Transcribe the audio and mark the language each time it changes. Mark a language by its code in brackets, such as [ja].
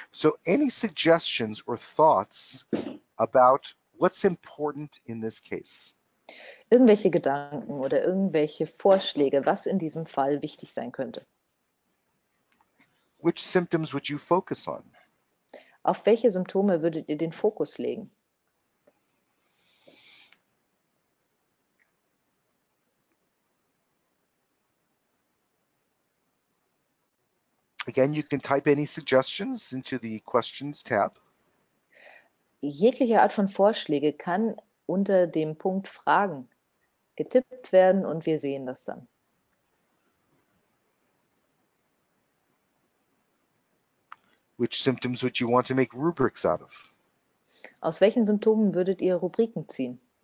[en] So, any suggestions or thoughts about what's important in this case? [de] Irgendwelche Gedanken oder irgendwelche Vorschläge, was in diesem Fall wichtig sein könnte. [en] Which symptoms would you focus on? [de] Auf welche Symptome würdet ihr den Fokus legen? [en] Again, you can type any suggestions into the questions tab. [de] Jegliche Art von Vorschläge kann unter dem Punkt Fragen getippt werden und wir sehen das dann. [en] Which symptoms would you want to make rubrics out of? [de] Aus welchen Symptomen würdet ihr Rubriken ziehen?